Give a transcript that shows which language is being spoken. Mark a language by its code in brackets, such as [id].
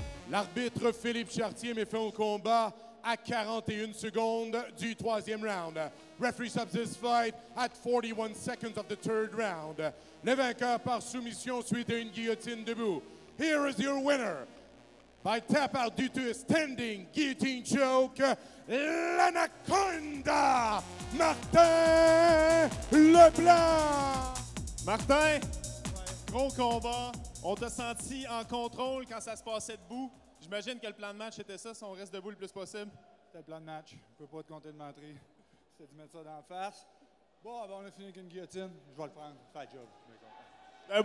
[fr] L'arbitre Philippe Chartier met fin au combat à 41 secondes du troisième round. [en] Referee stops this fight at 41 seconds of the third round. [fr] Le vainqueur par soumission suite à une guillotine debout. [en] Here is your winner by tap out due to a standing guillotine choke, l'Anaconda, Martin Leblanc. [fr] Martin, gros combat. On t'a senti en contrôle quand ça se passait debout. J'imagine que le plan de match était ça, si on reste debout le plus possible. C'était le plan de match. Je peux pas te compter de mentir. C'est de mettre ça dans la face. Bon, ben on a fini avec une guillotine. Je vais le prendre. Fait job.